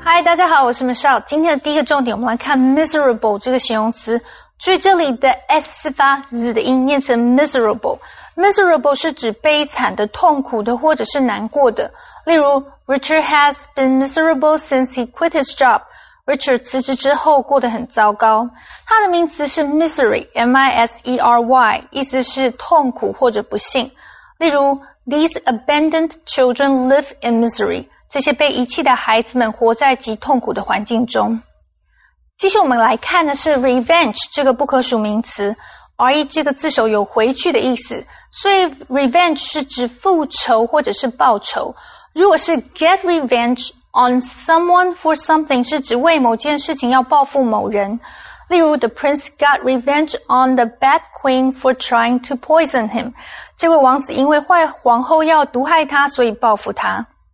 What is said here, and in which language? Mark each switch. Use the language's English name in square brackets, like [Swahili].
[Chinese] Hi, 大家好，我是 Michelle。今天的第一个重点，我们来看 miserable 这个形容词。注意这里的 s 是发 z 的音，念成 miserable。 Miserable 是指悲惨的、痛苦的或者是难过的。例如 [English] ,Richard has been miserable since he quit his job. [Chinese] Richard 辞职之后过得很糟糕。他的名词是 misery,M-I-S-E-R-Y, 意思是痛苦或者不幸。例如 [English] ,these abandoned children live in misery. [Chinese] 这些被遗弃的孩子们活在极痛苦的环境中。接下来我们来看的是 revenge, 这个不可数名词。 R-E 这个字首有回去的意思。所以 revenge 是指复仇或者是报仇。如果是 [English] get revenge on someone for something [Chinese] 是指为某件事情要报复某人。例如 [English] the prince got revenge on the bad queen for trying to poison him. [Chinese] 这位王子因为坏皇后要毒害他所以报复他。